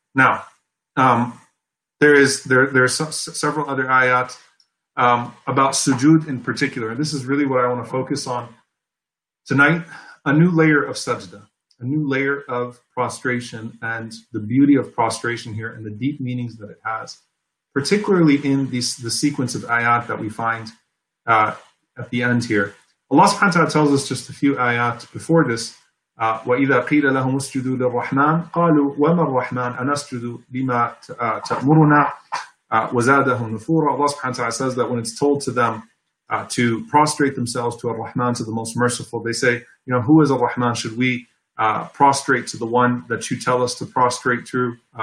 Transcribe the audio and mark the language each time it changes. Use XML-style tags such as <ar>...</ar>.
<en>Now, There are several other ayat about sujood in particular. And this is really what I want to focus on tonight. A new layer of sajda, a new layer of prostration, and the beauty of prostration here and the deep meanings that it has, particularly in the sequence of ayat that we find at the end here. Allah subhanahu wa ta'ala tells us just a few ayat before this,</en> <ar>وَإِذَا قِيلَ لَهُمُ اسْجُدُوا لِلرَّحْمَنِ قَالُوا وَمَا الرَّحْمَنُ أَنَسْجُدُوا لِمَا تَأْمُرُنَا وَزَادَهُمْ نُفُورًا.</ar> <en>Allah subhanahu wa ta'ala says that when it's told to them to prostrate themselves to Ar-Rahman, to the Most Merciful, they say, you know, who is Ar-Rahman? Should we prostrate to the one that you tell us to prostrate to?</en>